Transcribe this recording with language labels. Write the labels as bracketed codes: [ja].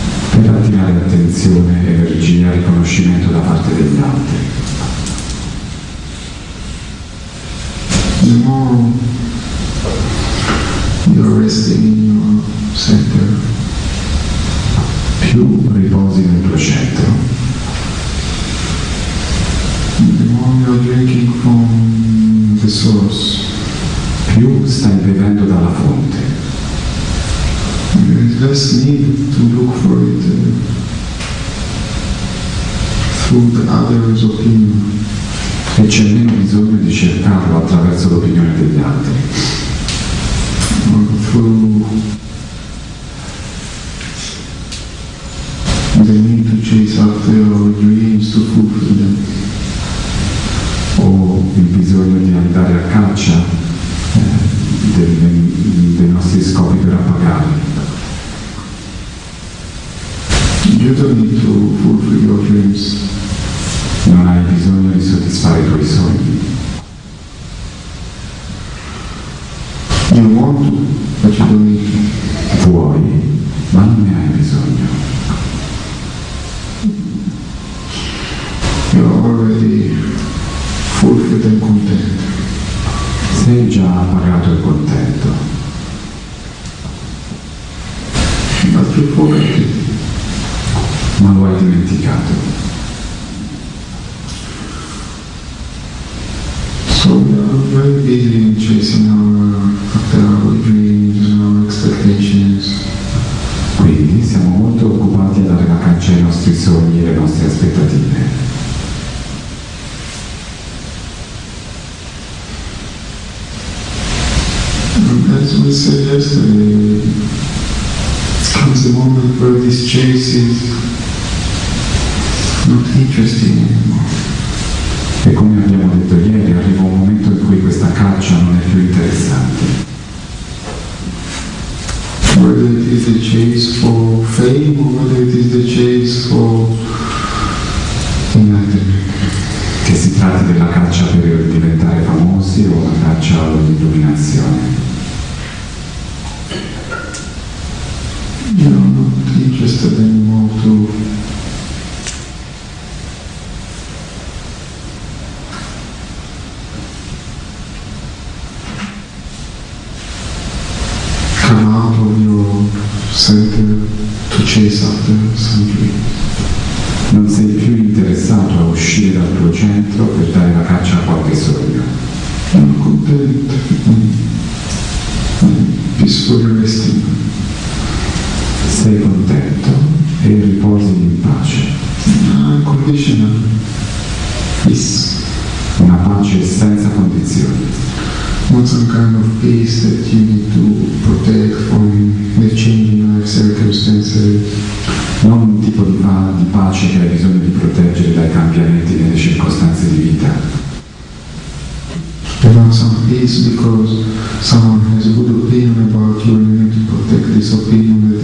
[it] per attirare attenzione, energia, riconoscimento da parte degli altri. [en] The more you are resting in your center, [it] più riposi nel tuo centro. [en] The more you are drinking from the source, [it] più stai bevendo dalla fonte. [en] There is less need to look for it through the other's opinion. [it] E c'è meno bisogno di cercarlo attraverso l'opinione degli altri. [en] Or through the need to chase after our dreams to fulfill them. [it] O il bisogno di andare a caccia dei nostri scopi per appagarli. [en] You don't need to fulfill your dreams. [it] Non hai bisogno di soddisfare i tuoi sogni. [en] You want to, but you don't need to. [it] Vuoi, ma non ne hai bisogno. [en] You're already fulfilled and content. [it] Sei già appagato e contento. [en] But you forget it. [it] Ma lo hai dimenticato. [en] So we are very busy in chasing our dreams and our expectations. [it] Quindi siamo molto occupati a dare la caccia ai nostri sogni e le nostre aspettative. [en] And as we said yesterday, comes the moment where this chase is not interesting anymore. [it] E come abbiamo detto ieri, arriva un momento in cui questa caccia non è più interessante. [en] Whether it is the chase for fame or whether it is the chase for nothing. [it] Che si tratti della caccia per diventare famosi o la caccia all'illuminazione. [en] You're not interested anymore to come out of your center to chase after something. [it] Non sei più interessato a uscire dal tuo centro per dare la caccia a qualche sogno. [en] I'm content. Peaceful resting. [it] Sei contento e riposi in pace. [en] Unconditional peace. [it] Una pace senza condizioni. [en] Not some kind of peace that you need to protect from the changing life circumstances. [it] Non un tipo di pace che hai bisogno di proteggere dai cambiamenti nelle circostanze di vita. [en] But not some peace because someone has a good opinion about you and you need to protect this opinion.